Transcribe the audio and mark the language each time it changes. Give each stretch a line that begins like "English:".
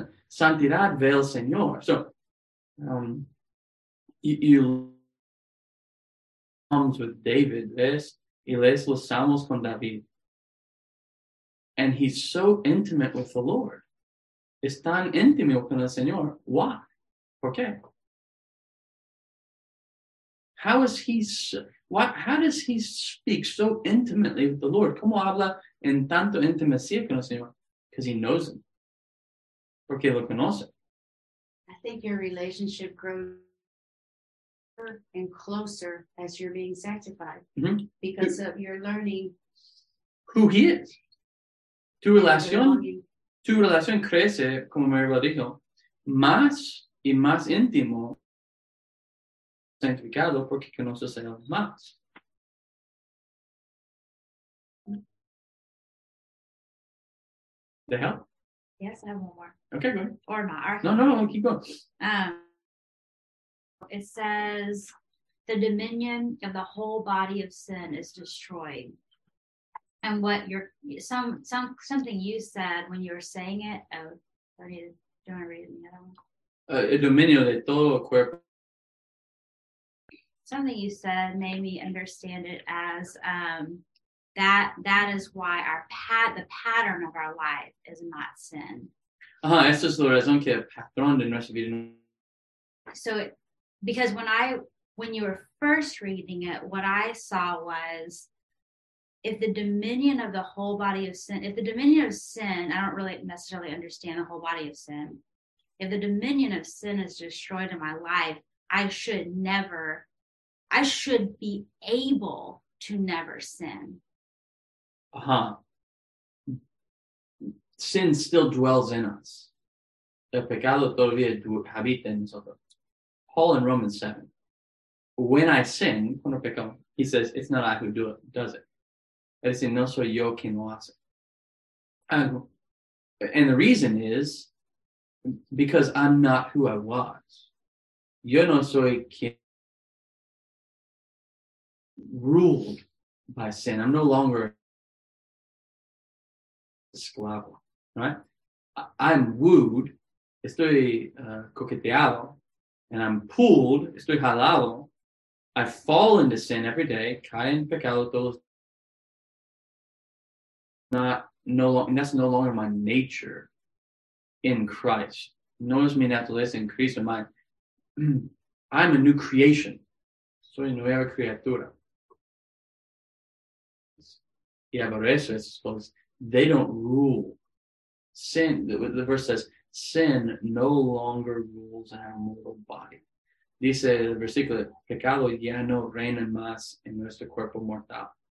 Spanish: Santidad ve al Señor.
English: So, you comes with David,
Spanish: ves, y lees los salmos con David.
English: And he's so intimate with the Lord.
Spanish: Es tan íntimo con el Señor.
English: Why?
Spanish: ¿Por qué?
English: How does he speak so intimately with the Lord?
Spanish: ¿Cómo habla en tanto intimacía con el Señor?
English: Because he knows him.
Spanish: Porque lo conoce.
English: I think your relationship grows and closer as you're being sanctified. Mm-hmm. Because of your learning who he is.
Spanish: Tu relación crece, como Maribel dijo, más y más íntimo sanctificado porque conoces a él más.
English: The hell? Yes, I have one more. Okay, go ahead. Or not. No, keep going. It says, the dominion of the whole body of sin is destroyed. And what something you said when you were saying it, do you want to read it in the other one?
Spanish: El dominio de todo el cuerpo.
English: Something you said made me understand it as that is why the pattern of our life is not sin.
Spanish: Eso es la razón que el patrón de nuestra vida.
English: So, because when you were first reading it, what I saw was if the dominion of sin, I don't really necessarily understand the whole body of sin. If the dominion of sin is destroyed in my life, I should be able to never sin. Sin still dwells in us.
Spanish: El pecado todavía habita en nosotros.
English: Paul in Romans 7. When I sin,
Spanish: cuando peco,
English: he says, it's not I who do it, does it.
Spanish: Es decir, no soy yo quien lo hace.
English: And the reason is because I'm not who I was.
Spanish: Yo no soy quien
English: ruled by sin. I'm no longer esclavo, right? I'm wooed,
Spanish: estoy coqueteado,
English: and I'm pulled,
Spanish: estoy jalado.
English: I fall into sin every day,
Spanish: cae en pecado todos.
English: Not that's no longer my nature in Christ. Notice
Spanish: mi naturaleza en Cristo,
English: I'm a new creation.
Spanish: Soy nueva criatura. Y aborrece esas cosas.
English: They don't rule. Sin, the verse says, sin no longer rules our mortal body.
Spanish: Dice el versículo, pecado ya no reina más en nuestro cuerpo mortal.